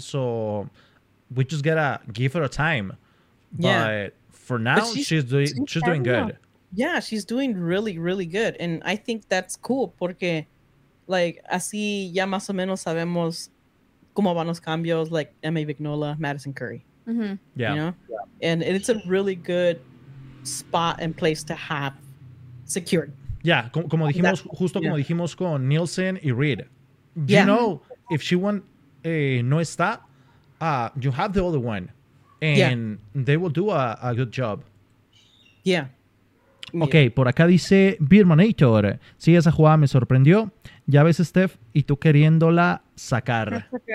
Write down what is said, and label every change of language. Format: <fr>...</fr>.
<en>So, we just gotta give her a time. Yeah. But for now, she's doing good. Yeah, she's doing really, really good. And I think that's cool</en> <es>porque...</es> <en>Like,</en> <es>así ya más o menos sabemos cómo van los cambios,</es> <en>like</en> <es>M.A. Vignola, Madison Curry. Mm-hmm.</es> <en>Yeah. You know? And it's a really good spot and place to have secured.</en> <es>Yeah, como dijimos, como dijimos con Nielsen y Reed.</es> <en>Know, if she won,</en> <es>no está,</es> <en>you have the other one. And they will do a good job. Yeah.</en> <es>Ok, por acá dice Birmanator. Sí, esa jugada me sorprendió. Ya ves, Steph, y tú queriéndola sacar.</es>